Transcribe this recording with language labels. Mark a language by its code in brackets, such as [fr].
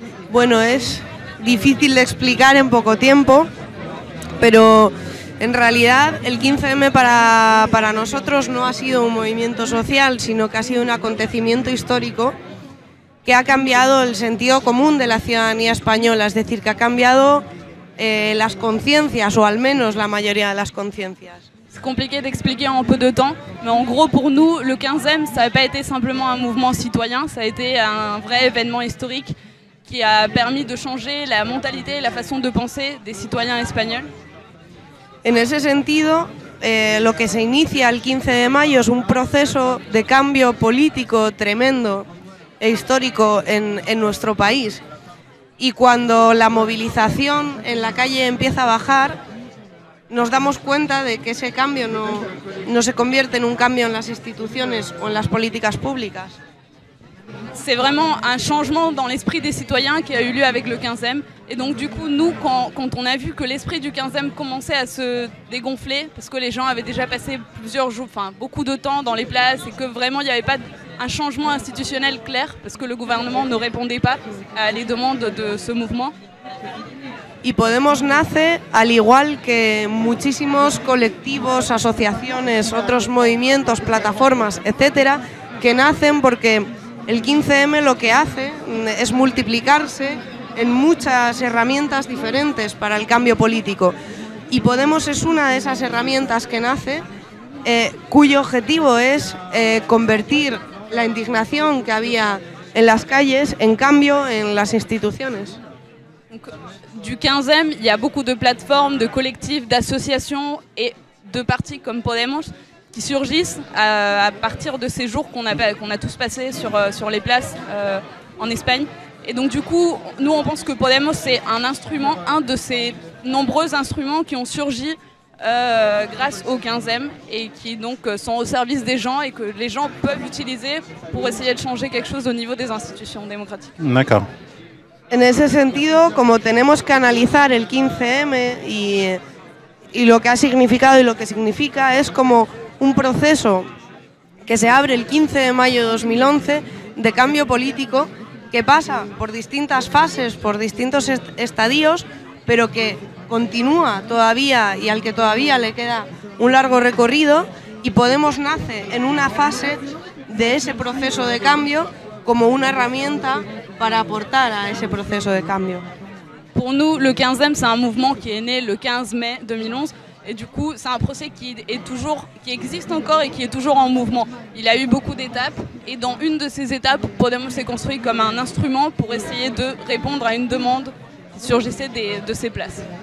[es] Bueno, es difícil de explicar en poco tiempo, pero en realidad el 15M para nosotros no ha sido un movimiento social, sino que ha sido un acontecimiento histórico que ha cambiado el sentido común de la ciudadanía española, es decir, que ha cambiado... las conciencias, o al menos la mayoría de las conciencias. [fr] C'est compliqué d'expliquer en peu de temps, mais en gros pour nous, le 15M, ça n'a pas été simplement un mouvement citoyen, ça a été un vrai événement historique qui a permis de changer la mentalité et la façon de penser des citoyens espagnols. [es] En ese sentido, lo que se inicia el 15 de mayo es un proceso de cambio político tremendo e histórico en nuestro país. Y cuando la movilización en la calle empieza a bajar, nos damos cuenta de que ese cambio no se convierte en un cambio en las instituciones o en las políticas públicas. [fr] C'est vraiment un changement dans l'esprit des citoyens qui a eu lieu avec le 15M. Et donc du coup, nous, quand on a vu que l'esprit du 15M commençait à se dégonfler, parce que les gens avaient déjà passé plusieurs jours, enfin beaucoup de temps dans les places, et que vraiment il n'y avait pas un changement institutionnel clair, parce que le gouvernement ne répondait pas à les demandes de ce mouvement. [es] Y Podemos nace al igual que muchísimos colectivos, asociaciones, otros movimientos, plataformas, etcétera, que nacen porque el 15M lo que hace es multiplicarse en muchas herramientas diferentes para el cambio político. Y Podemos es una de esas herramientas que nace, cuyo objetivo es convertir la indignación que había en las calles en cambio en las instituciones. [fr] Du 15M, il y a beaucoup de plateformes, de collectifs, d'associations et de partis comme Podemos qui surgissent à partir de ces jours qu'on a tous passés sur les places en Espagne. Et donc du coup, nous on pense que Podemos c'est un instrument, un de ces nombreux instruments qui ont surgi grâce au 15M et qui donc sont au service des gens et que les gens peuvent utiliser pour essayer de changer quelque chose au niveau des institutions démocratiques. D'accord. [es] En ese sentido, como tenemos que analizar el 15M y lo que ha significado y lo que significa, es como un proceso que se abre el 15 de mayo de 2011 de cambio político que pasa por distintas fases, por distintos estadios, pero que continúa todavía y al que todavía le queda un largo recorrido y Podemos nace en una fase de ese proceso de cambio como una herramienta para aportar a ese proceso de cambio. [fr] Pour nous, le 15M, c'est un mouvement qui est né le 15 mai 2011 et du coup, c'est un procès qui existe encore et qui est toujours en mouvement. Il a eu beaucoup d'étapes et dans une de ces étapes, Podemos s'est construit comme un instrument pour essayer de répondre à une demande qui surgissait de ces places.